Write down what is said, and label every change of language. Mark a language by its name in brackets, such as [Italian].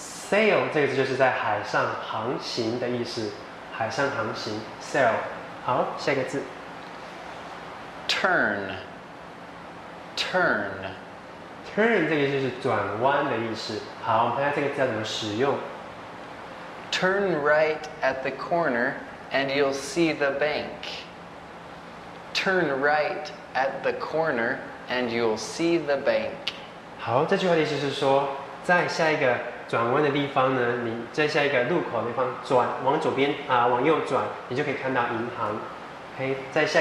[Chinese] Sail 这个字就是在海上航行的意思，海上航行 ，sail。好，下一个字 [English] ，turn。 turn。 [Chinese] turn 这个就是转弯的意思。好，我们看下这个字要怎么使用。 [English] Turn right at the corner and you'll see the bank. Turn right at the corner and you'll see the bank. [Chinese] 好，这句话的意思是说，在下一个。转弯的地方呢，你在下一个路口的地方转，往左边啊，往右转，你就可以看到银行。OK， 在下一个路口右转，你就看到银行。记起来了没有？